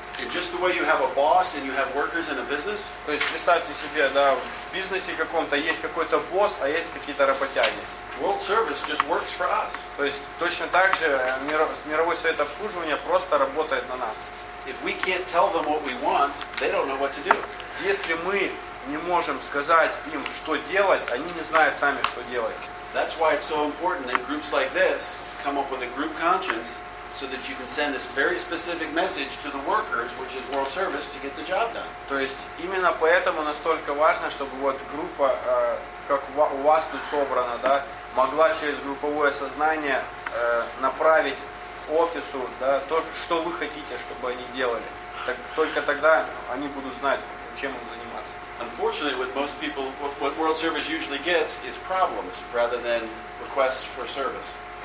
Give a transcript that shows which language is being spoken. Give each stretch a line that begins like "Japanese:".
English: Just the way you have a boss and you have workers in a business?
Russian: То есть представьте себе, да, в бизнесе каком-то есть какой-то босс, а есть какие-то работяги.
English: World Service just works for us.
Russian: То есть точно так же мировой совет обслуживания просто работает на нас.
English: If we can't tell them what we want, they don't know what to do.
Russian: Если мы не можем сказать им, что делать, они не знают сами, что делать.
English: That's why it's so important that groups like this come up with a group conscience so that you can send this very specific message to the workers, which is World Service, to get the job done.
Russian: То есть именно поэтому настолько важно, чтобы вот группа, как у вас тут собрана, да, могла через групповое сознание направить офису, да, то, что вы хотите, чтобы они делали. Так, только тогда они будут знать, чем им заниматься.
English: Unfortunately, with most people, what World Service usually gets is problems rather than requests for service.